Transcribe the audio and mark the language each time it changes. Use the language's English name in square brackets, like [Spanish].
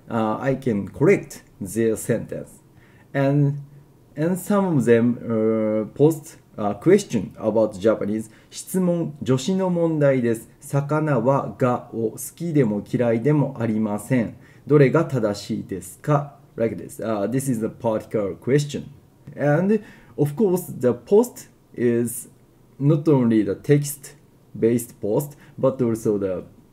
[English] I can correct their sentence. And some of them post a question about Japanese. [Japanese] 質問、助詞の問題です。魚はがを好きでも嫌いでもありません。どれが正しいですか? [English] Like this. This is a particular question. And of course, the post is not only the text-based post, but also the...